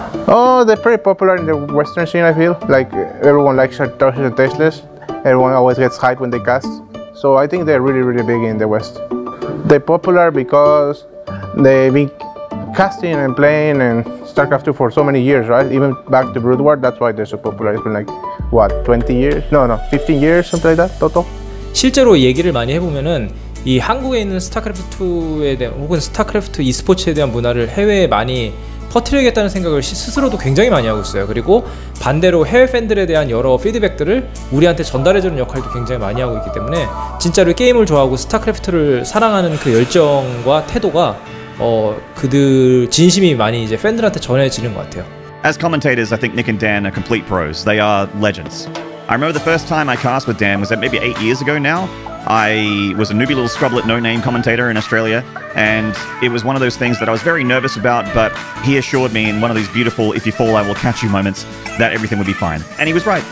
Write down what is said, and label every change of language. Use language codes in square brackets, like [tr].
[en] Oh, they're pretty popular in the Western scene, I feel. Like everyone likes Artosis and Tasteless. Everyone always gets hyped when they cast. So I think they're really, really big in the West. They're popular because they've been casting and playing and StarCraft 2 for so many years, right? Even back to Brood War, that's why they're so popular. It's been like, what, 20 years? No, 15 years, something like that, total. [ko] 실제로 얘기를 많이 해보면은 이 한국에 있는 스타크래프트 2에 대한 혹은 스타크래프트 e스포츠에 대한 문화를 해외에 많이 퍼트리겠다는 생각을 스스로도 굉장히 많이 하고 있어요. 그리고 반대로 해외 팬들에 대한 여러 피드백들을 우리한테 전달해주는 역할도 굉장히 많이 하고 있기 때문에 진짜로 게임을 좋아하고 스타크래프트를 사랑하는 그 열정과 태도가 그들 진심이 많이 이제 팬들한테 전해지는 것 같아요. [en] As commentators, I think Nick and Dan are complete pros. They are legends. I remember the first time I cast with Dan was that maybe 8 years ago now. I was a newbie little scrublet no-name commentator in Australia, and it was one of those things that I was very nervous about, but he assured me in one of these beautiful if you fall I will catch you moments that everything would be fine. And he was right.